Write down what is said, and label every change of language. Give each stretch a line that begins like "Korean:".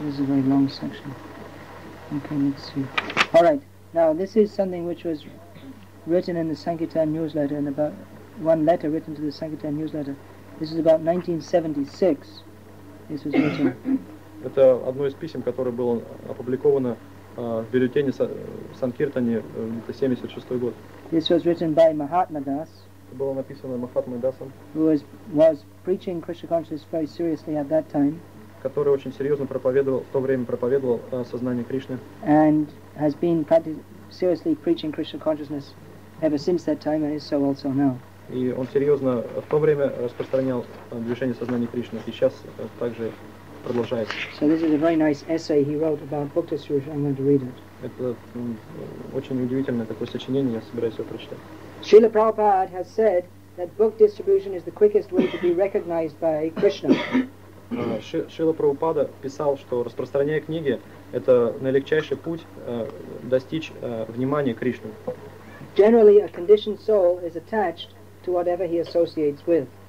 English: This is a very long section. Okay, let's see. All right. Now, this is something which was written in the Sankirtan newsletter, and about one letter written to the Sankirtan newsletter. This is about 1976. This was written.
Russian: Это одно из писем, которое было опубликовано в бюллетене Санкиртане, это 76-й год.
English: This was written by Mahatma Das.
Russian: Это было написано Махатмой Дасом.
English: Who was preaching Krishna consciousness very seriously at that time.
Russian: Который очень серьезно проповедовал, в то время проповедовал сознание Кришны.
English: And has been seriously preaching Krishna consciousness ever since that time, and is so also now.
Russian: И он серьезно в то время распространял движение сознания Кришны, и сейчас также продолжает.
English: So this is a very nice essay he wrote about book distribution. I'm going to read it.
Russian: Это очень удивительное такое сочинение, я собираюсь его прочитать.
English: Srila Prabhupada has said that book distribution is the quickest way to be recognized by Krishna.
Russian: Шрила Прабхупада писал, что распространяя книги, это наилегчайший путь достичь внимания Кришны.
English: Generally, a conditioned soul is attached to whatever he associates with.